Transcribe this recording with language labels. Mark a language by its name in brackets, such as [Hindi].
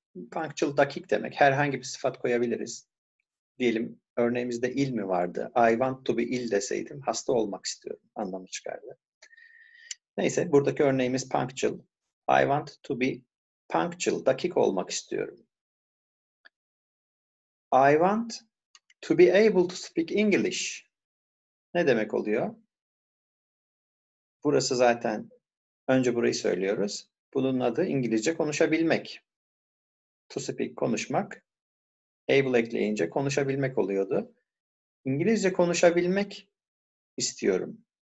[Turkish] Punctual dakik demek. Herhangi bir sıfat koyabiliriz. Diyelim örneğimizde ill mi vardı? [English] I want to be ill [Turkish] deseydim hasta olmak istiyorum anlamı çıkardı. Neyse buradaki örneğimiz punctual. [English] I want to be punctual, [Turkish] dakik olmak istiyorum. [English] I want to be able to speak English. [Turkish] Ne demek oluyor? Burası zaten önce burayı söylüyoruz. Bunun adı İngilizce konuşabilmek. To speak, konuşmak. Able ekleyince konuşabilmek oluyordu. İngilizce konuşabilmek istiyorum.